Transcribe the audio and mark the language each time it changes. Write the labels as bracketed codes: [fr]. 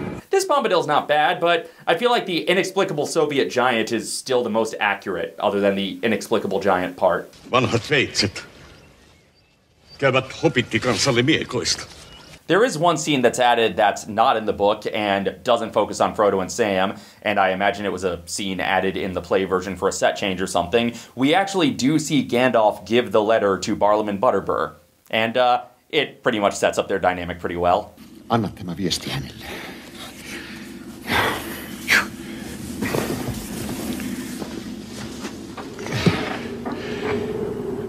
[en] This Bombadil's not bad, but I feel like the inexplicable Soviet giant is still the most accurate, other than the inexplicable giant part. [fi] Vanhat veitset käyvät hobittikansalle miekoista. [en] There is one scene that's added that's not in the book and doesn't focus on Frodo and Sam, and I imagine it was a scene added in the play version for a set change or something. We actually do see Gandalf give the letter to Barlam and Butterbur, and it pretty much sets up their dynamic pretty well. [fi] Annatema viesti hänelle.